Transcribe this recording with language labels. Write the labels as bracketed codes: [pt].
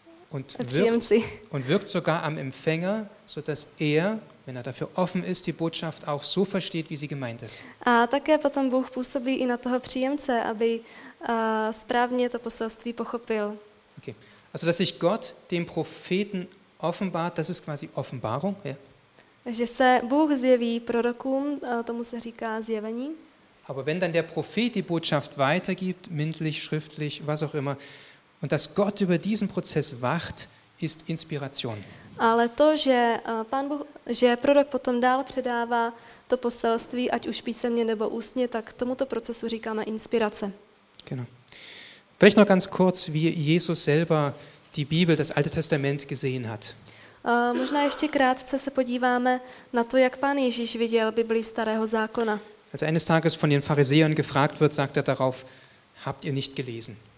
[de] und wirkt sogar am Empfänger, so dass er, wenn er dafür offen ist, die Botschaft auch so versteht, wie sie gemeint ist. [cs] A také potom Bůh působí i na toho příjemce, aby správně to poselství pochopil. Okay. [de] Also, dass sich Gott dem Propheten offenbart, das ist quasi Offenbarung. Ja. [cs] Že se Bůh zjeví prorokům, tomu se říká zjevení. [de] Aber wenn dann der Prophet die Botschaft weitergibt, mündlich, schriftlich, was auch immer, und dass Gott über diesen Prozess wacht, ist Inspiration. [cs] Ale to, že Pán Bůh, že prorok potom dál předává to poselství, ať už písemně nebo ústně, tak tomuto procesu říkáme inspirace. [de] Genau. Vielleicht noch ganz kurz, wie Jesus selber die Bibel, das Alte Testament gesehen hat. [cs] Možná ještě krátce se podíváme na to, jak Pán Ježíš viděl Bibli starého zákona. [de] Als eines Tages von den Pharisäern gefragt wird, sagt er darauf: Habt ihr nicht gelesen?